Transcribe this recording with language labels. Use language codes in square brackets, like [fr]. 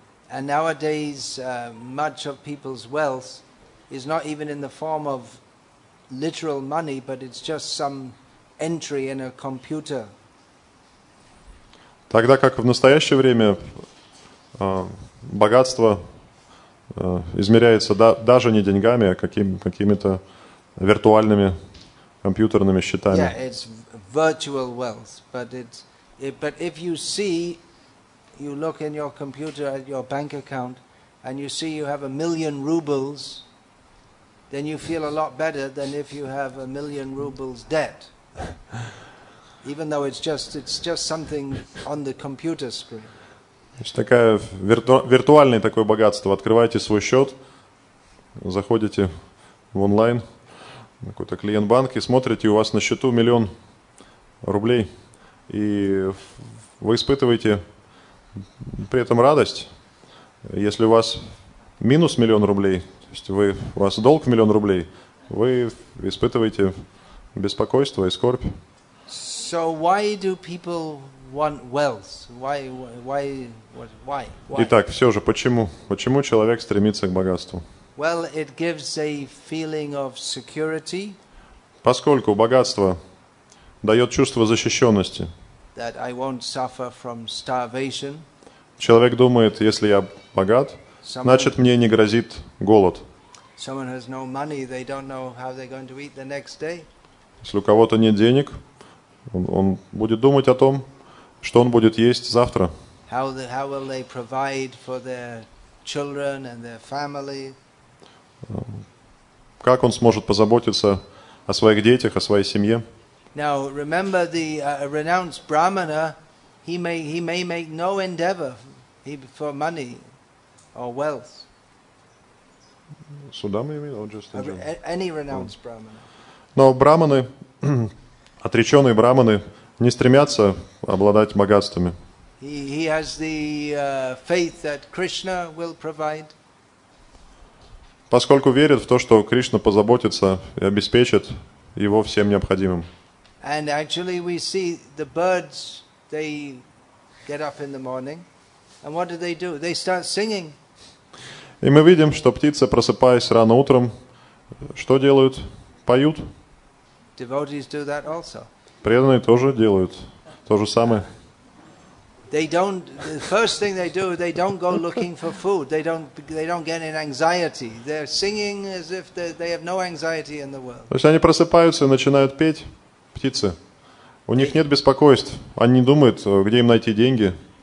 [en] And nowadays, much of people's wealth is not even in the form of literal money, but it's just some entry in a computer. [ru] Тогда как в настоящее время богатство измеряется даже не деньгами, а какими-то виртуальными компьютерными счетами. [en] Yeah, it's virtual wealth, but if you see, you look in your computer at your bank account, and you see you have 1 million rubles, then you feel a lot better than if you have 1 million rubles debt. Even though it's just something on the computer screen. [ru] Значит, такое виртуальное такое богатство. Открываете свой счет, заходите в онлайн, на какой-то клиент банк, и смотрите, у вас на счету 1 миллион рублей. И вы испытываете при этом радость. Если у вас минус 1 миллион рублей, то есть у вас долг 1 миллион рублей, вы испытываете беспокойство и скорбь. [en] So why do people want wealth? Why? [ru] Итак, все же, почему человек стремится к богатству? [en] Well, it gives a feeling of security. [ru] Поскольку богатство дает чувство защищенности. [en] That I won't suffer from starvation. [ru] Человек думает, если я богат, значит, мне не грозит голод. [en] Someone has no money, they don't know how they're going to eat the next day. [ru] Если у кого-то нет денег, он будет думать о том, что он будет есть завтра. [en] How will they provide for their children and their family? [ru] Как он сможет позаботиться о своих детях, о своей семье? [en] Now, remember the renounced Brahmana, he may make no endeavor for money or wealth. Sudama, you mean, or just any renounced Brahmana? [ru] Но браманы, отреченные браманы, не стремятся обладать богатствами. [en] He has the faith that Krishna will provide. [ru] Поскольку верит в то, что Кришна позаботится и обеспечит его всем необходимым. [en] And actually we see the birds, they get up in the morning. And what do? They start singing. [ru] И мы видим, что птицы, просыпаясь рано утром, что делают? Поют. [en] Devotees do that also. [ru] Преданные тоже делают то же самое. [en] They don't. The first thing they do, they don't go looking for food. They don't get in anxiety. They're singing as if they have no anxiety in the world. [ru] То есть они просыпаются и начинают петь, птицы. У них нет беспокойств. Они не думают, где им найти деньги.